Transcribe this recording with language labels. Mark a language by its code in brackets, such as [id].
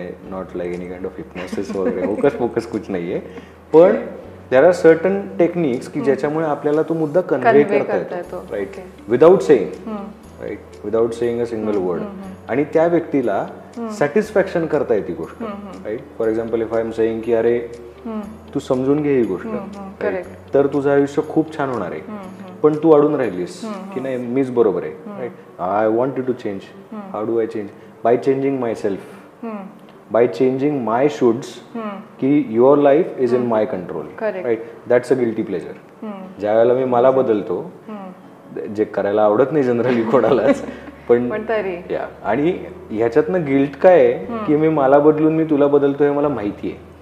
[en] not like any kind of hypnosis [mr] वगैरे, [en] focus focus [mr] कुछ नाही आहे, पण [en] there are certain techniques [mr] की ज्याच्यामुळे आपल्याला तो मुद्दा कन्व्हे करता येतो [en] right without saying right without saying a single word [mr] आणि त्या व्यक्तीला सॅटिस्फॅक्शन करता येते गोष्ट [en] Right. For example if I am saying [mr] की अरे तू समजून घे ही गोष्ट तर तुझं आयुष्य खूप छान होणार आहे, पण तू अडून राहिलीस की नाही मीच बरोबर आहे right. [en] I want to change, how do I change, by changing myself, by changing my shoulds की your life is in my control right. That's a guilty pleasure. [mr] ज्या वेळेला मी मला बदलतो जे करायला आवडत नाही जनरली कोणालाच, पण तरी आणि ह्याच्यातनं गिल्ट काय आहे की मी मला बदलून मी तुला बदलतो हे मला माहिती आहे.